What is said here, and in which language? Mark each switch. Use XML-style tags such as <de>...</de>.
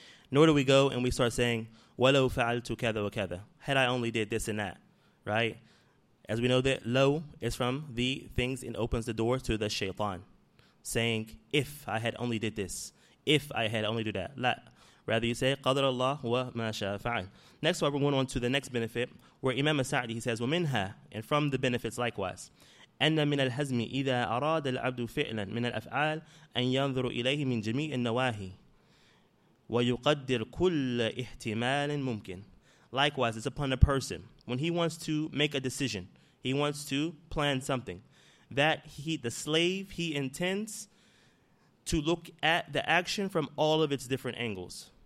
<en>Nor do we go and we start saying,</en> <ar>وَلَوْ فَعَلْتُ كَذَا وَكَذَا,</ar> <en>had I only did this and that, right? As we know that lo is from the things and opens the door to the shaytan, saying, if I had only did this, if I had only do that.</en> <ar>لا.</ar> <en>Rather you say,</en> <ar>قَدْرَ اللَّهُ وَمَا شَاءَ فَعَلْ.</ar> <en>Next part, we're going on to the next benefit, where Imam Sa'di, he says,</en> <ar>وَمِنْهَا,</ar> <en>and from the benefits likewise,</en> <ar>أَنَّ مِنَ الْهَزْمِ إِذَا أَرَادَ الْعَبْدُ فِعْلًا مِنَ الْأَفْعَالِ أَنْ يَنْظُرُ إِلَيْهِ مِنْ جَمِيعِ النَّوَاهِي وَيُقَدِّرْ كُلَّ إِحْتِمَالٍ مُمْكِنٍ.</ar> <en>Likewise, it's upon a person when he wants to make a decision, he wants to plan something, that he, the slave, he intends to look at the action from all of its different angles.</en>